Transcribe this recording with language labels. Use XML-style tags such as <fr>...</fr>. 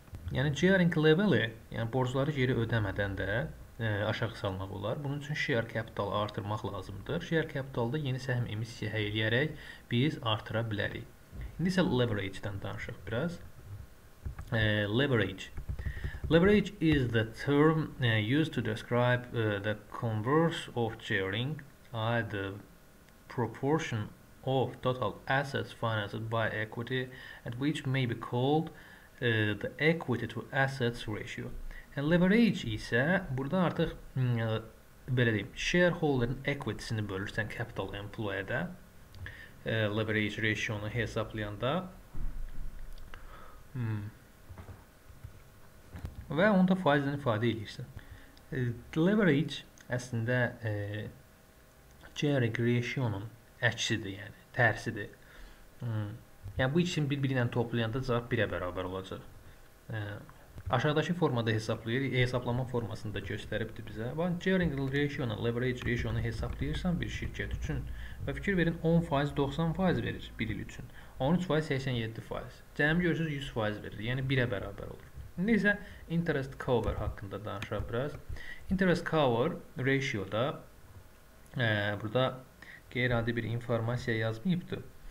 <az>Yəni, gearing leveli, yəni borcları geri ödəmədən də aşağı salmaq olar. Bunun üçün share capital artırmaq lazımdır. Share capitalda yeni səhm emissiya həyəliyərək biz artıra bilərik. İndi isə leverage-dən danışıq biraz.</az> <en>Leverage. Leverage is the term used to describe the converse of gearing, either proportion of total assets financed by equity and which may be called the equity to assets ratio.</en> <az>And leverage ise burada artık belə deyim, shareholder'ın equity'sini bölürsən capital employer'də leverage ratio'nu hesaplayanda və onda faizdən ifadə edirsən. Leverage əslində gearing ratio'nun əksidir, yəni tərsidir. Yəni bu ikisini bir-birinlə toplayanda cavab birə bərabər olacaq. Aşağıdakı formada hesaplayır, hesaplama formasında göstəribdir bizə. Bax, gearing ratio'nun, leverage ratio'nu hesaplayırsan bir şirkət üçün və fikir verin 10% 90% verir bir il üçün. 13% 87%. Cəmi görürsünüz 100% verir. Yəni birə bərabər olur. İndi isə interest cover haqqında danışaq biraz. Interest cover ratio'da burada qeyri-adi bir informasiya yazmayıbdır.</az>